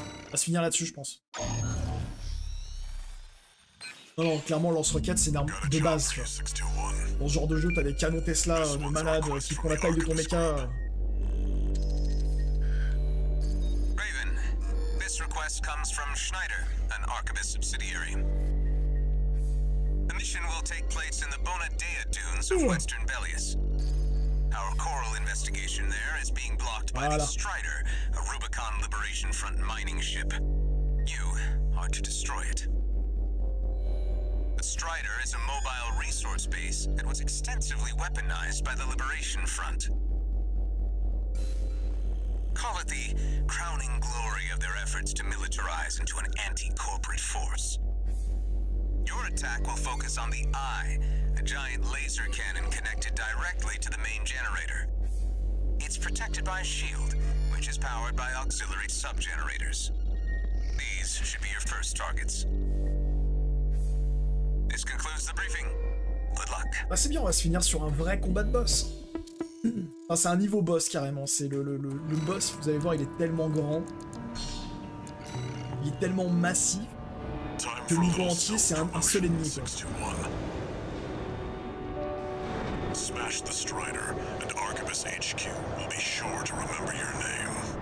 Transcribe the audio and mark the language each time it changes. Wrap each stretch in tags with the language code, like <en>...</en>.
<fr>On va se finir là-dessus, je pense. Non, non, clairement, lance-roquette, c'est une arme de base. Tu vois. Dans ce genre de jeu, t'as des canons Tesla de malades qui font la taille de ton mecha.</fr> <en>Raven, this request comes from Schneider, an Archivist subsidiary. The mission will take place in the Bona Dea dunes of Western Bellius. Our coral investigation there is being blocked by the Strider, a Rubicon Liberation Front mining ship. You are to destroy it. Strider is a mobile resource base that was extensively weaponized by the Liberation Front. Call it the crowning glory of their efforts to militarize into an anti-corporate force. Your attack will focus on the Eye, a giant laser cannon connected directly to the main generator. It's protected by a shield, which is powered by auxiliary sub-generators. These should be your first targets. concludes the briefing. Good luck.</en> <fr>Bah c'est bien, on va se finir sur un vrai combat de boss. Enfin, c'est un niveau boss carrément, c'est le boss, vous allez voir, il est tellement grand. Il est tellement massif. Que le niveau entier, c'est un seul ennemi.</fr> <en>Smash the Strider and Archibus HQ will be sure to remember your name.</en>